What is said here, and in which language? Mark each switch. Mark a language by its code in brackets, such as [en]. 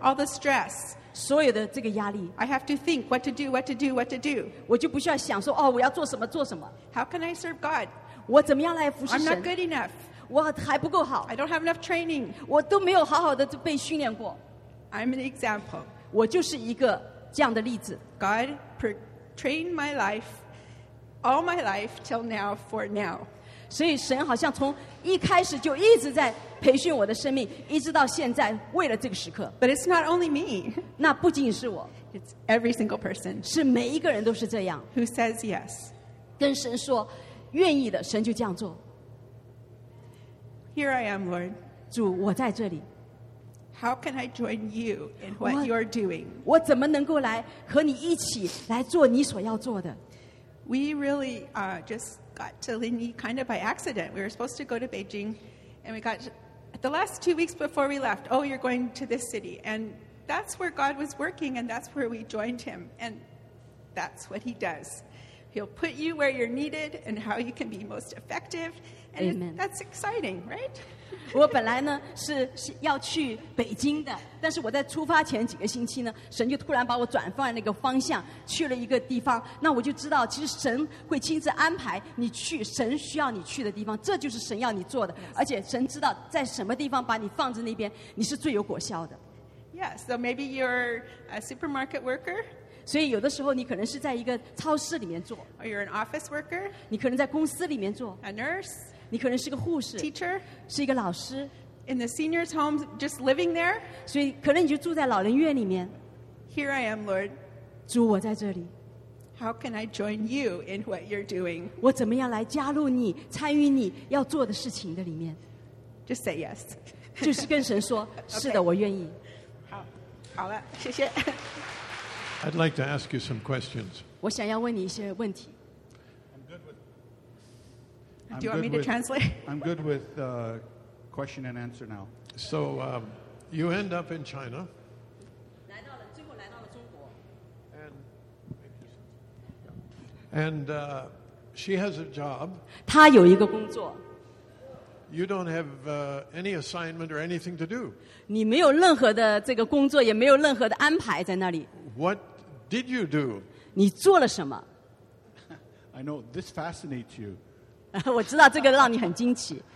[en] All the stress. [zh] 所有的这个压力 [en] I have to think what to do, what to do, what to do. [zh] 我就不需要想说哦，我要做什么做什么。 [en] How can I serve God? [zh] 我怎么样来服侍神 [en] ？I'm not good enough. [zh] 我还不够好。 [en] I don't have enough training. [zh] 我都没有好好的被训练过。 [en] I'm an example. [zh] 我就是一个这样的例子。 [en] God trained my life, all my life till now for now. [zh] 所以神好像从一开始就一直在。培训我的生命，一直到现在，为了这个时刻。 [en] But it's not only me. [zh] 那不仅是我。 [en] It's every single person. [zh] 是每一个人都是这样。 [en] Who says yes? [zh] 跟神说愿意的，神就这样做。 [en] Here I am, Lord. [zh] 主，我在这里。 [en] How can I join you in what you're doing? [zh] 我怎么能够来和你一起来做你所要做的 [en] ？We really just got to Linyi kind of by accident. We were supposed to go to Beijing. And we got the last 2 weeks before we left. Oh, you're going to this city, and that's where God was working, and that's where we joined Him, and that's what He does. He'll put you where you're needed, and how you can be most effective. And Amen. That's exciting, right? [zh] 我本来呢是要去北京的，但是我在出发前几个星期呢，神就突然把我转换了一个方向，去了一个地方。那我就知道，其实神会亲自安排你去神需要你去的地方，这就是神要你做的。 [en] Yes. [zh] 而且神知道在什么地方把你放在那边，你是最有果效的。 [en] Yeah, so maybe you're a supermarket worker. [zh] 所以有的时候你可能是在一个超市里面做。 [en] Or you're an office worker. [zh] 你可能在公司里面做。 [en] A nurse. [zh] 你可能是个护士 [en] teacher [zh] 是一个老师 [en] in the seniors' home, just living there. [zh] 所以可能你就住在老人院里面 [en] Here I am, Lord. [zh] 主，我在这里。 [en] How can I join you in what you're doing? [zh] 我怎么样来加入你，参与你要做的事情的里面 [en] ？Just say yes. [zh] 就是跟神说，是的，我愿意。好，好了，谢谢。 [en] I'd like to ask you some questions. [zh] 我想要问你一些问题。 [en] Do you want me to translate? I'm good with question and answer now. So you end up in China. And she has a job. [zh] 她有一个工作。 [en] You don't have any assignment or anything to do. [zh] 你没有任何的这个工作，也没有任何的安排在那里。 [en] What did you do? [zh] 你做了什么？ [en] I know this fascinates you. [zh] 我知道这个让你很惊奇。